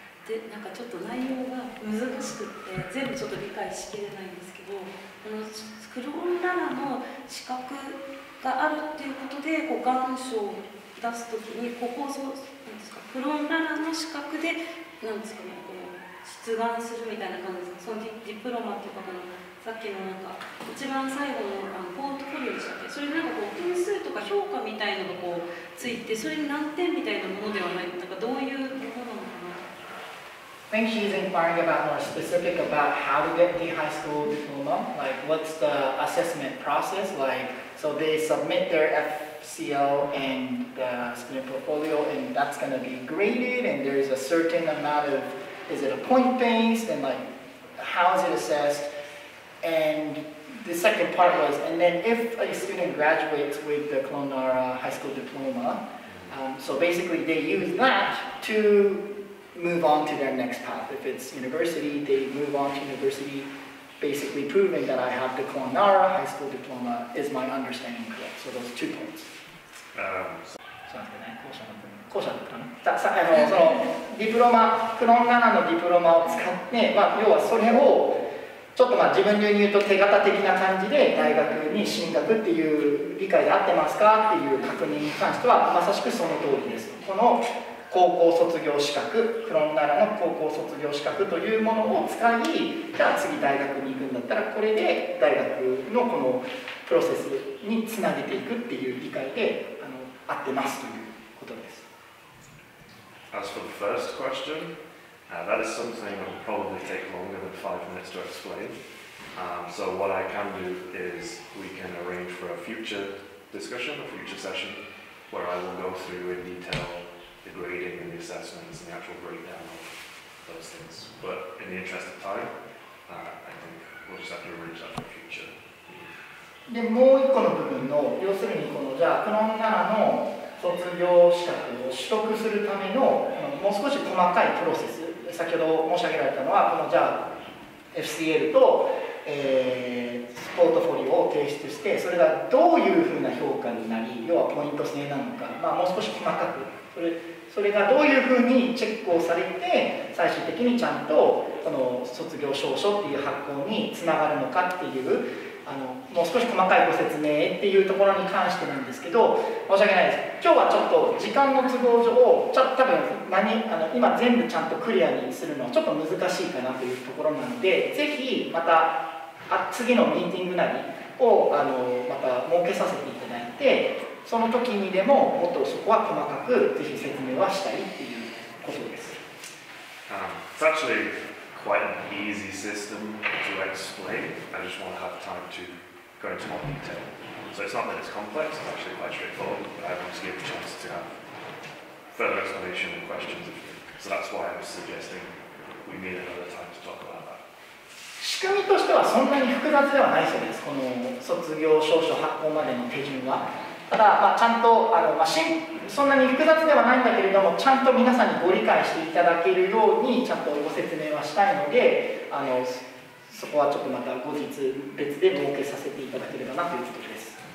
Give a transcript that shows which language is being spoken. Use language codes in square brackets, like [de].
[ja] でなんかちょっと内容が難しくって全部ちょっと理解しきれないんですけど、このスクロールラナーの資格があるっていうことで願書を出すときに、ここをフロンララの資格で、なんですかね、こう出願するみたいな感じですか、その ディプロマっていうか、このさっきのなんか一番最後 のポートフォリオでしたっけ、それなんかこう点数とか評価みたいなのがこうついて、それに何点みたいなものではない、なんかどういうものなのかな。 [en] Think she's inquiring about more specific about how to get the high school diploma, like what's the assessment process like, so they submit their FCL and the student portfolio, and that's going to be graded, and there's a certain amount of, is it a point based, and like how is it assessed, and the second part was, and then if a student graduates with the Kolonara High School Diploma, so basically they use that to move on to their next path. If it's university, they move on to university, basically proving that I have the Kolonara High School Diploma, is my understanding correct, so those two points. So I'm going to call someone from you. [ja] 校舎だったかな、そのディプロマ、クロンガナのディプロマを使って、まあ、要はそれをちょっとまあ自分流に言うと手形的な感じで大学に進学っていう理解で合ってますかっていう確認に関してはまさしくその通りです。この高校卒業資格、クロンガナの高校卒業資格というものを使い、じゃあ次大学に行くんだったらこれで大学のこのプロセスにつなげていくっていう理解で合ってますということです。 [en] As for the first question, that is something that will probably take longer than 5 minutes to explain. So what I can do is we can arrange for a future discussion, a future session, where I will go through in detail the grading and the assessments and the actual breakdown of those things. But in the interest of time, I think we'll just have to arrange that for the future. [ja] でもう一個の部分の、要するにこのじゃあクロンガナの卒業資格を取得するため の, もう少し細かいプロセス、先ほど申し上げられたのはこのじゃあ FCL と、ポートフォリオを提出して、それがどういうふうな評価になり、要はポイント制なのか、まあ、もう少し細かくそれがどういうふうにチェックをされて最終的にちゃんとこの卒業証書っていう発行につながるのかっていう、もう少し細かいご説明っていうところに関してなんですけど、申し訳ないです。今日はちょっと時間の都合上、今全部ちゃんとクリアにするのはちょっと難しいかなというところなので、ぜひまた次のミーティングなりをまた設けさせていただいて、その時にでももっとそこは細かくぜひ説明はしたいっていうことです。 [en] It's actually quite an easy system to explain. I just want to have time to go into more detail. So it's not that it's complex, it's actually quite straightforward, but I want to give a chance to have further explanation and questions. So that's why I was suggesting we meet another time to talk about that. [ja] 仕組みとしてはそんなに複雑ではないそうです。この卒業証書発行までの手順は。ただ、まあ、ちゃんとそんなに複雑ではないんだけれども、ちゃんと皆さんにご理解していただけるようにちゃんとご説明はしたいので、そこはちょっとまた後日別で設けさせていただければなということです。